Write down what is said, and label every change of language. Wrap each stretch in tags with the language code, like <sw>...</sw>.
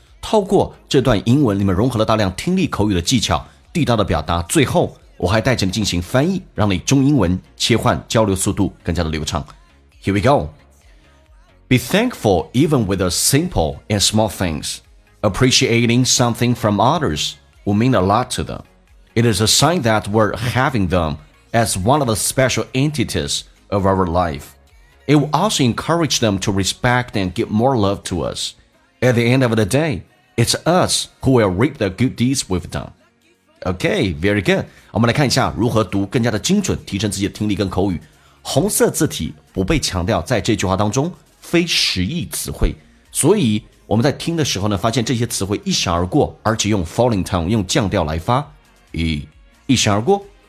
<zh>透过这段英文，你们融合了大量听力口语的技巧，地道的表达。最后，我还带着你进行翻译，让你中英文切换交流速度更加的流畅。</zh> <en>Here we go. Be thankful even with the simple and small things. Appreciating something from others will mean a lot to them. It is a sign that we're having them as one of the special entities of our life. It will also encourage them to respect and give more love to us. At the end of the day, it's us who will reap the good deeds we've done. Okay, very good.</en> <zh>我们来看一下如何读更加的精准，提升自己的听力跟口语。红色字体不被强调，在这句话当中非实义词汇，所以我们在听的时候呢，发现这些词汇一闪而过，而且用</zh> <en>falling tone，</en> <zh>用降调来发，一闪而过。</zh>